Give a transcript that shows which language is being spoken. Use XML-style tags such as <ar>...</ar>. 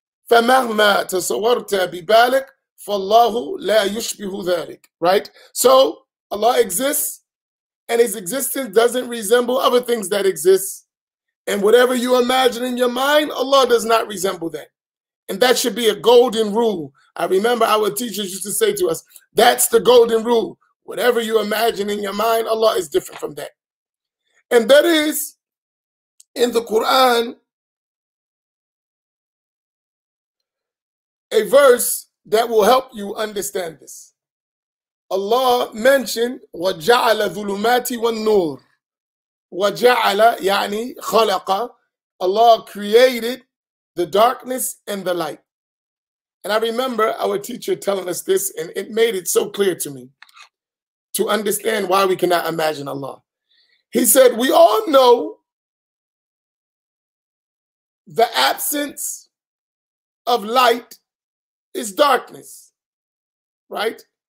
<ar>فَمَهْمَا تَصَوَّرْتَ بِبَالِكْ فَاللَّهُ لَا يُشْبِهُ ذَلِكْ, right?</ar> <en>So Allah exists and His existence doesn't resemble other things that exist. And whatever you imagine in your mind, Allah does not resemble that. And that should be a golden rule. I remember our teachers used to say to us, that's the golden rule. Whatever you imagine in your mind, Allah is different from that. And that is in the Quran, a verse that will help you understand this. Allah mentioned</en> <ar>وَجَعَلَ ذُلُمَاتِ وَالنُّورِ وَجَعَلَ يعني خَلَقَ.</ar> <en>Allah created the darkness and the light. And I remember our teacher telling us this, and it made it so clear to me to understand why we cannot imagine Allah. He said, we all know the absence of light is darkness, right?</en>